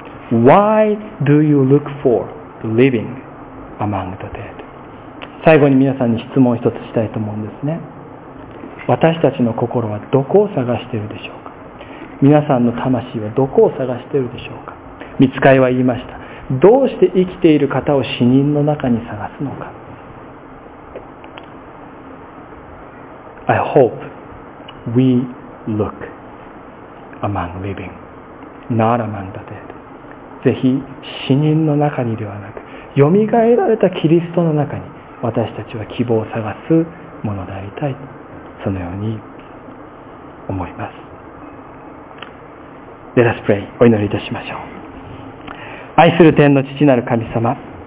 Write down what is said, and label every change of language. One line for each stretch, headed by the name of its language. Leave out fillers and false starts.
English: Why do you look for living among the dead?
Japanese: 最後に皆さんに質問を一つしたいと思うんですね。私たちの心はどこを探しているでしょうか。皆さんの魂はどこを探しているでしょうか。御使いは言いました。どうして生きている方を死人の中に探すのか。
English: I hope we look among living, not among the dead.
Japanese: ぜひ死人の中にではなく、蘇られたキリストの中に私たちは希望を探すものでありたい、そのように思います。
English: Let us pray.
Japanese: お祈りいたしましょう。愛する天の父なる神様、